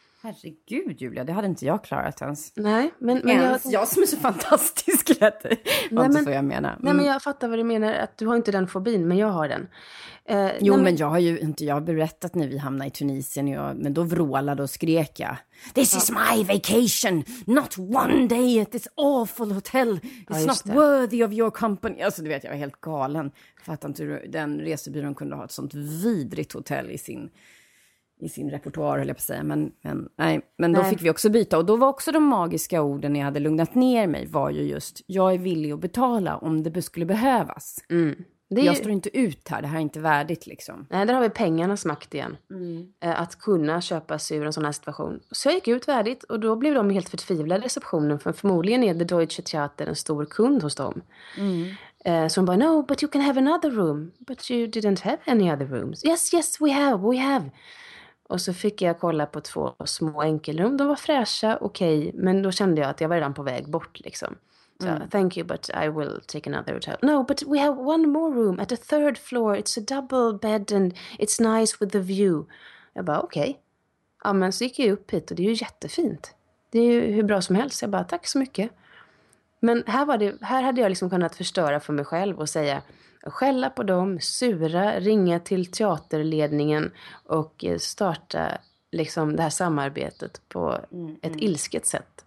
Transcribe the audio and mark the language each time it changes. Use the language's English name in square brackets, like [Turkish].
[Swedish] Herregud, Julia, det hade inte jag klarat ens. Nej, men jag som är så fantastisk, lät det. Nej, men, jag menar. Nej, men jag fattar vad du menar. Att du har inte den fobin, men jag har den. Jag har ju inte berättat när vi hamnade i Tunisien. Men då vrålade och skrek jag. [English] This is my vacation, not one day at this awful hotel. It's not worthy of your company. [Swedish] Alltså, du vet, jag var helt galen. Fattar inte hur den resebyrån kunde ha ett sånt vidrigt hotell i sin repertoar, höll jag på att säga. Men fick vi också byta. Och då var också de magiska orden när jag hade lugnat ner mig, var ju just, jag är villig att betala om det skulle behövas. Mm. Jag står inte ut här, det här är inte värdigt liksom. Nej, där har vi pengarnas makt igen. Mm. Att kunna köpa sig ur en sån här situation. Så jag gick ut värdigt och då blev de helt förtvivlade i receptionen. För förmodligen är The Deutsche Theater en stor kund hos dem. Mm. Så hon bara, [English] no, but you can have another room. But you didn't have any other rooms. Yes, we have. [Swedish] Och så fick jag kolla på 2 små enkelrum. De var fräscha, okej. Okay, men då kände jag att jag var redan på väg bort liksom. [English] Så, thank you, but I will take another hotel. No, but we have 1 more room at the 3rd floor. It's a double bed and it's nice with the view. [Swedish] Jag bara, okej. Ja, men så gick jag upp hit och det är ju jättefint. Det är ju hur bra som helst. Jag bara, tack så mycket. Men här hade jag liksom kunnat förstöra för mig själv och säga, skälla på dem, sura, ringa till teaterledningen och starta liksom det här samarbetet på ett ilsket sätt.